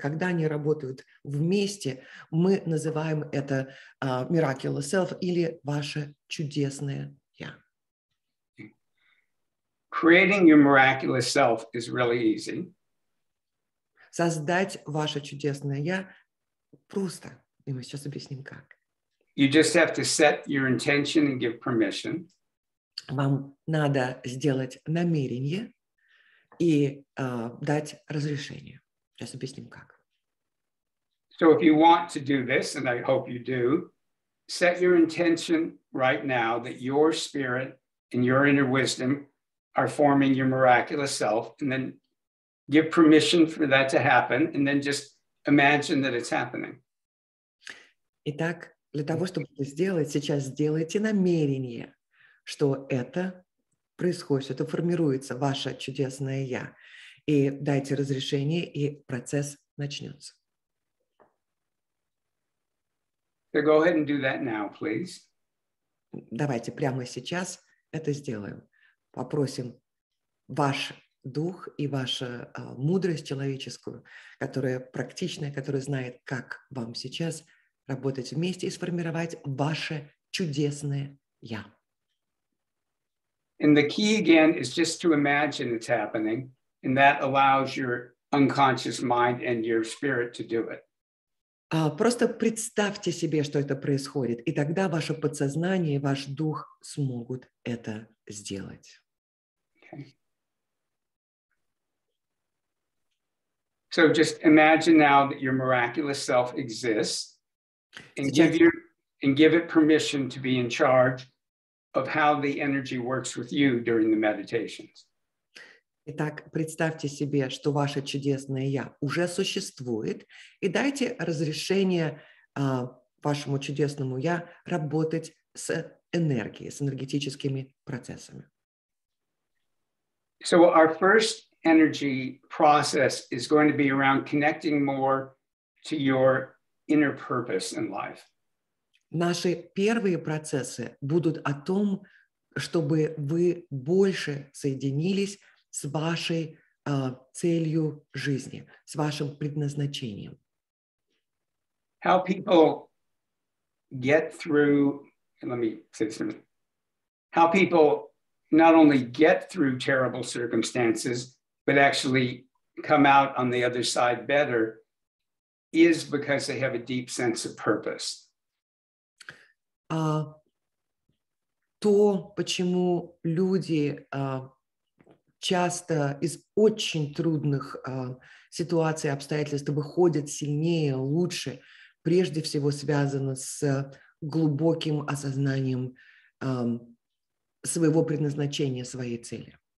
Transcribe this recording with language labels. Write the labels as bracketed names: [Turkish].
[Russian] Когда они работают вместе, мы называем это [English] miraculous self [Russian] или ваше чудесное я. [English] Creating your miraculous self is really easy. [Russian] Создать ваше чудесное я просто. И мы сейчас объясним, как. [English] You just have to set your intention and give permission. [Russian] Вам надо сделать намерение и дать разрешение. Сейчас объясним, как. [English] So if you want to do this, and I hope you do, set your intention right now that your spirit and your inner wisdom are forming your miraculous self, and then give permission for that to happen, and then just imagine that it's happening. [Russian] Итак, для того, чтобы это сделать, сейчас сделайте намерение, что это происходит, что-то формируется, ваше чудесное «я». И дайте разрешение, и процесс начнется. [English] So go ahead and do that now, please. [Russian] Давайте прямо сейчас это сделаем. Попросим ваш дух и вашу мудрость человеческую, которая практичная, которая знает, как вам сейчас работать вместе и сформировать ваше чудесное «я». [English] And the key again is just to imagine it's happening, and that allows your unconscious mind and your spirit to do it. [Russian] Просто представьте себе, что это происходит, и тогда ваше подсознание и ваш дух смогут это сделать. [English] Okay. So just imagine now that your miraculous self exists, and give it permission to be in charge of how the energy works with you during the meditations. [Russian] Итак, представьте себе, что ваше чудесное «я» уже существует, и дайте разрешение вашему чудесному «я» работать с энергией, с энергетическими процессами. [English] So our first energy process is going to be around connecting more to your inner purpose in life. [Russian] Наши первые процессы будут о том, чтобы вы больше соединились с вашей целью жизни, с вашим предназначением. [English] How people get through, let me say this, how people not only get through terrible circumstances, but actually come out on the other side better, is because they have a deep sense of purpose. [Russian] То, почему люди часто из очень трудных ситуаций, обстоятельств выходят сильнее, лучше, прежде всего связано с глубоким осознанием своего предназначения, своей цели.